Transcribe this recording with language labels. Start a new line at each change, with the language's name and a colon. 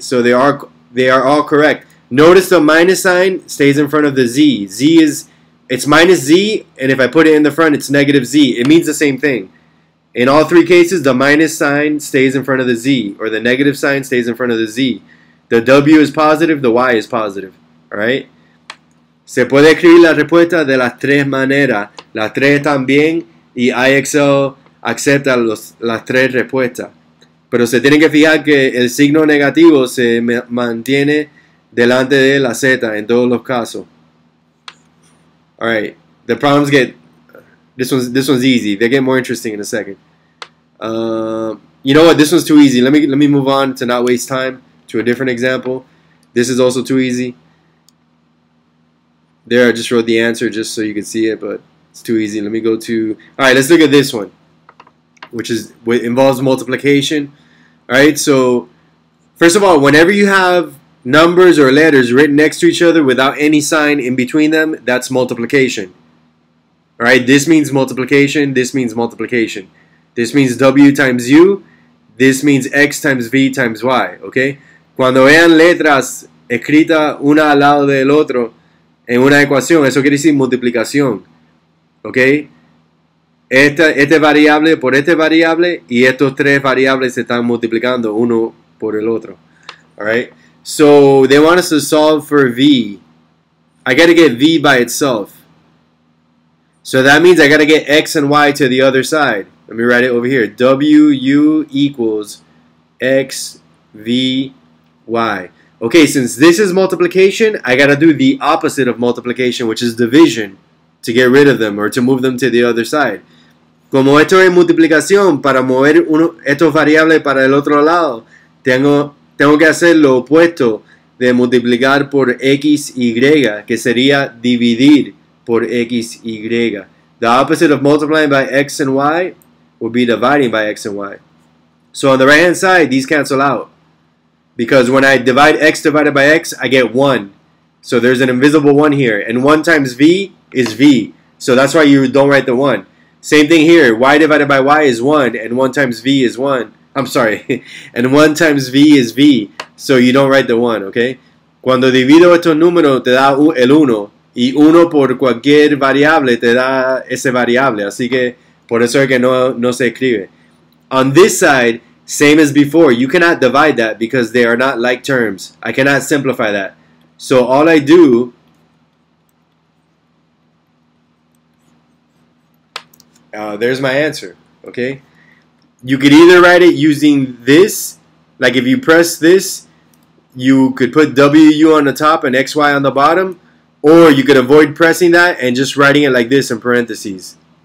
English: So they are all correct. Notice the minus sign stays in front of the Z. Z is, it's minus Z, and if I put it in the front, it's negative Z. It means the same thing. In all three cases, the minus sign stays in front of the Z, or the negative sign stays in front of the Z. The W is positive, the Y is positive. All right?
Spanish: Se puede escribir la respuesta de las tres maneras. Las tres también, y IXL acepta las tres respuestas. Pero se tienen que fijar que el signo negativo se mantiene delante de la Z en todos los casos.
English: All right, the problems get, this one's easy. They get more interesting in a second. You know what, this one's too easy. Let me move on to not waste time to a different example. This is also too easy. There, I just wrote the answer just so you can see it, but it's too easy. Let me go to, all right, let's look at this one, which is what involves multiplication. All right, so first of all, whenever you have numbers or letters written next to each other without any sign in between them, that's multiplication. All right, this means multiplication. This means multiplication. This means W times U. This means X times V times Y. Okay?
Spanish: Cuando vean letras escritas una al lado del otro en una ecuación, eso quiere decir multiplicación. Okay? Este variable por este variable y estos tres variables se están multiplicando uno por el otro.
English: All right? So they want us to solve for V. I got to get V by itself. So that means I got to get X and Y to the other side. Let me write it over here. W, U equals X, V, Y. Okay, since this is multiplication, I got to do the opposite of multiplication, which is division, to get rid of them or to move them to the other side.
Spanish: Como esto es multiplicación, para mover estos variables para el otro lado, tengo que hacer lo opuesto de multiplicar por X, Y, que sería dividir por X, Y.
English: The opposite of multiplying by X and Y would be dividing by X and Y. So on the right-hand side, these cancel out. Because when I divide X divided by X, I get 1. So there's an invisible 1 here. And 1 times V is V. So that's why you don't write the 1. Same thing here. Y divided by Y is 1, and 1 times V is 1. I'm sorry, and 1 times V is V, so you don't write the 1, okay?
Spanish: Cuando divido estos números, te da el 1, y 1 por cualquier variable te da ese variable, así que por eso es que no se escribe.
English: On this side, same as before, you cannot divide that because they are not like terms. I cannot simplify that. So all I do there's my answer, okay? You could either write it using this, like if you press this, you could put WU on the top and XY on the bottom, or you could avoid pressing that and just writing it like this in parentheses.